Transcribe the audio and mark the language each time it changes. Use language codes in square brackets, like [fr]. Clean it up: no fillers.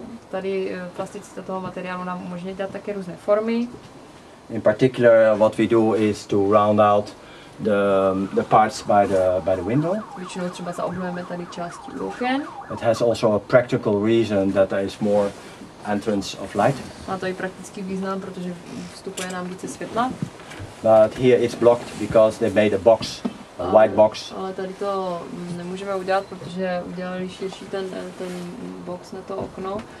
[cs] Tady plasticita toho materiálu nám umožňuje dělat také různé formy. [en] In particular, what we do is to round out the parts by the window. [cs] Většinou třeba zaobnujeme tady části oken. [en] It has also a practical reason that there is more entrance of light. [cs] Má to i praktický význam, protože vstupuje nám více světla. [en] But here it's blocked because they made a box. A white box. [cs] Ale tady to nemůžeme udělat, protože udělali širší ten box na to okno.